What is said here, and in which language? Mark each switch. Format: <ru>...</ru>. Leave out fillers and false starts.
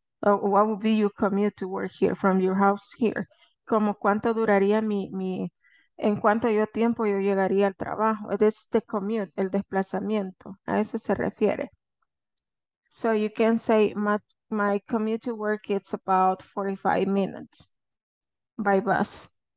<en>What would be your commute to work here from your house here?</en> <es>Como cuánto duraría en cuánto yo tiempo yo llegaría al trabajo.</es> <en>It's the commute,</en> <es>el desplazamiento. A eso se refiere.</es> <en>So you can say, my commute to work is about 45 minutes by bus.</en>